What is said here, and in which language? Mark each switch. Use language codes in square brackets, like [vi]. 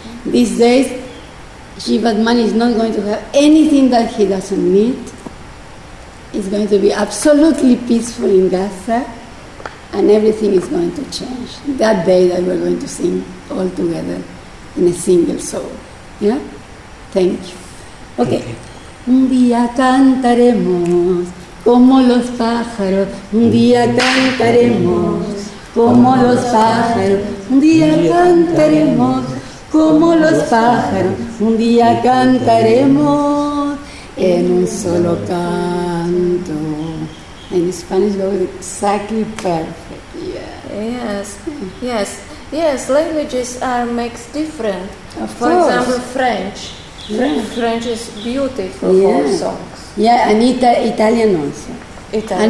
[en] These days, Chivatman is not going to have anything that he doesn't need. It's going to be absolutely peaceful in Gaza and everything is going to change. That day that we're going to sing all together in a single soul. Yeah? Thank you. Okay. [es] Un día cantaremos como los pájaros. Un día cantaremos como los pájaros. Un día cantaremos como los pájaros, un día cantaremos en un solo canto. [en] In Spanish, go exactly perfect. Yeah. Yes, yes, yes. Languages are makes different. Of For course. Example, French. Yeah. French is beautiful yeah. for songs. Yeah, and Italian also. Italian.